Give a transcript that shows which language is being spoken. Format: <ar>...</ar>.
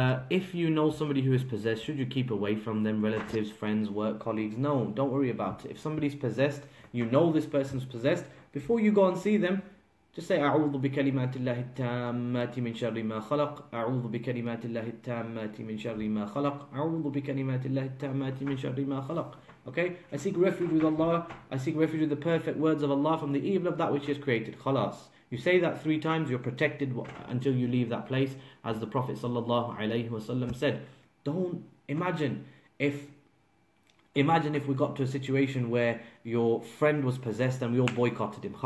<en>If you know somebody who is possessed, should you keep away from them, relatives, friends, work, colleagues? No, don't worry about it. If somebody's possessed, you know this person's possessed, before you go and see them, just say,</en> <ar>أعوذ بكلمات الله التامات من شر ما خلق. أعوذ بكلمات الله التامات من شر ما خلق. أعوذ بكلمات الله التامات من شر ما خلق.</ar> <en>Okay? I seek refuge with Allah. I seek refuge with the perfect words of Allah from the evil of that which is created.</en> <ar>خلاص.</ar> <en>You say that three times, you're protected until you leave that place. As the Prophet sallallahu alaihi wasallam said, don't imagine if we got to a situation where your friend was possessed and we all boycotted him.</en>